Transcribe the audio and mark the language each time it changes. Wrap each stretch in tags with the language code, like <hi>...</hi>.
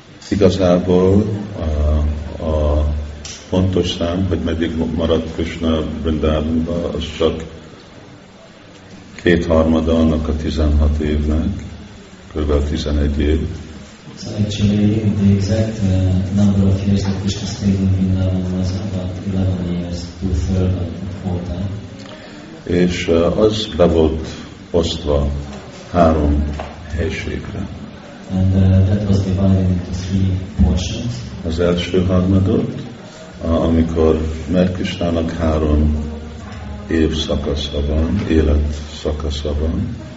<hu>Igazából a fontos szám, hogy meddig maradt Krishna Vrindavanban, az csak kétharmada annak a 16 évnek, kb. 11 év.</hu> <en>So actually, the exact number of years that Krishna stayed in Vrindavan was about 11 years, two-third of the quota.</en> <hu>És az be volt osztva három helységre.</hu> <en>And that was divided into three portions.</en> <hu>Az első harmadot, amikor Krisnának három év szakasza van, élet szakasza van.</hu>